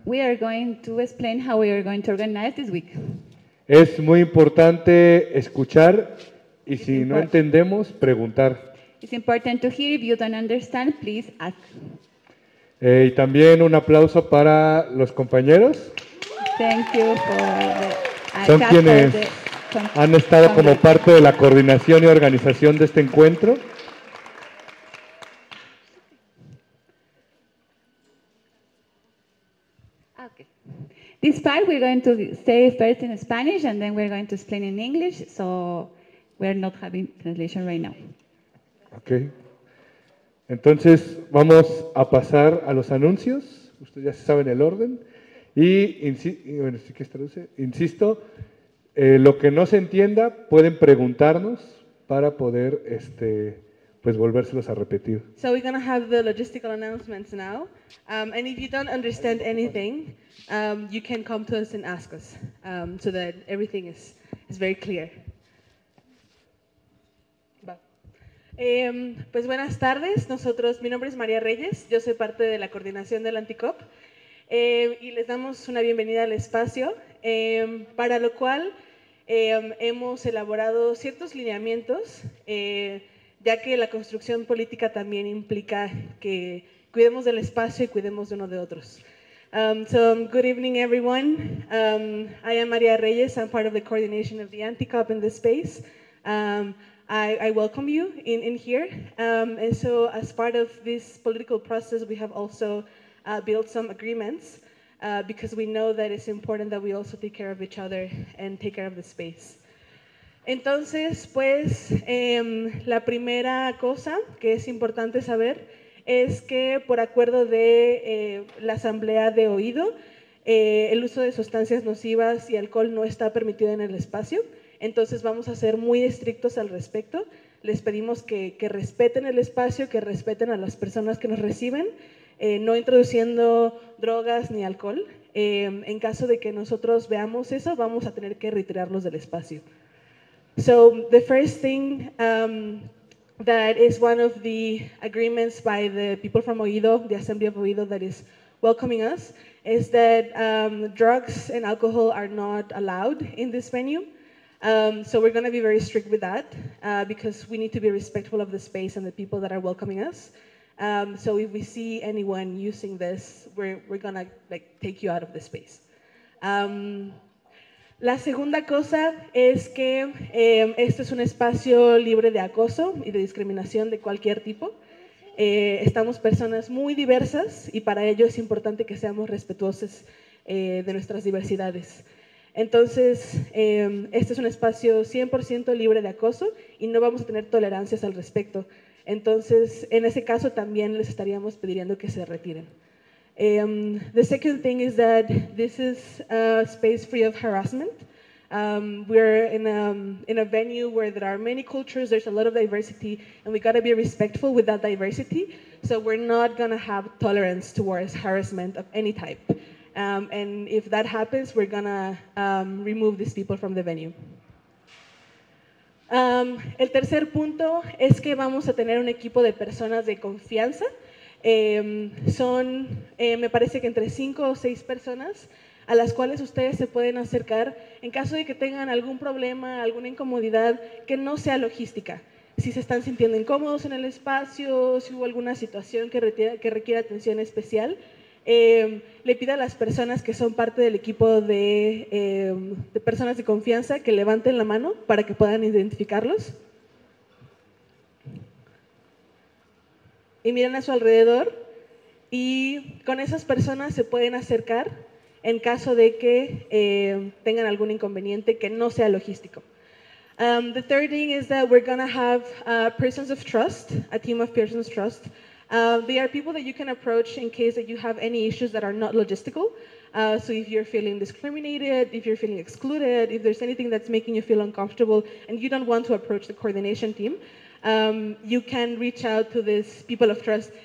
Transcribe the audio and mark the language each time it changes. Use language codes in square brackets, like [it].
[en] We are going to explain how we are going to organize this week. [es] Es muy importante escuchar y si no entendemos, preguntar. [en] It's important to hear. If you don't understand, please ask. [es] Y también un aplauso para los compañeros. [en] Thank you for the, [es] son quienes han estado como parte de la coordinación y organización de este encuentro. [en] Okay. This part we're going to say first in Spanish and then we're going to explain in English, so we're not having translation right now. [es] Okay. Entonces, vamos a pasar a los anuncios. Ustedes ya saben el orden. Y, bueno, ¿sí que se traduce? Insisto, lo que no se entienda, pueden preguntarnos para poder pues volvérselos a repetir. [en] So we're going to have the logistical announcements now. And if you don't understand anything, you can come to us and ask us so that everything is very clear. [es] Pues buenas tardes, nosotros, mi nombre es María Reyes, yo soy parte de la coordinación del ANTICOP y les damos una bienvenida al espacio, para lo cual hemos elaborado ciertos lineamientos, ya que la construcción política también implica que cuidemos del espacio y cuidemos de uno de otros. [en] Good evening everyone, I am María Reyes, I'm part of the coordination of the ANTICOP in this space. I welcome you in here. And so as part of this political process, we have also built some agreements because we know that it's important that we also take care of each other and take care of the space. [es] Entonces, pues, la primera cosa que es importante saber es que por acuerdo de la Asamblea de Oído, el uso de sustancias nocivas y alcohol no está permitido en el espacio. Entonces vamos a ser muy estrictos al respecto, les pedimos que respeten el espacio, que respeten a las personas que nos reciben, no introduciendo drogas ni alcohol. En caso de que nosotros veamos eso, vamos a tener que retirarlos del espacio. [en] So the first thing that is one of the agreements by the people from Oído, the Assembly of Oído that is welcoming us, is that drugs and alcohol are not allowed in this venue. So we're going to be very strict with that because we need to be respectful of the space and the people that are welcoming us. So if we see anyone using this, we're going to like take you out of the space. [es] La segunda cosa es que este es un espacio libre de acoso y de discriminación de cualquier tipo. Estamos personas muy diversas y para ello es importante que seamos respetuosos de nuestras diversidades. Entonces, este es un espacio 100% libre de acoso y no vamos a tener tolerancias al respecto. Entonces, en ese caso también les estaríamos pidiendo que se retiren. [en] The second thing is that this is a space free of harassment. We're in a venue where there are many cultures, there's a lot of diversity, and we got to be respectful with that diversity. So we're not going to have tolerance towards harassment of any type. And if that happens, we're going to remove these people from the venue. [es] El tercer punto es que vamos a tener un equipo de personas de confianza. Me parece que entre 5 o 6 personas a las cuales ustedes se pueden acercar en caso de que tengan algún problema, alguna incomodidad que no sea logística. Si se están sintiendo incómodos en el espacio, si hubo alguna situación que requiera atención especial, le pido a las personas que son parte del equipo de personas de confianza que levanten la mano para que puedan identificarlos. Y miren a su alrededor y con esas personas se pueden acercar en caso de que tengan algún inconveniente que no sea logístico. [en] The third thing is that we're going to have persons of trust, a team of persons of trust. They are people that you can approach in case that you have any issues that are not logistical. So if you're feeling discriminated, if you're feeling excluded, if there's anything that's making you feel uncomfortable and you don't want to approach the coordination team, you can reach out to these people of trust.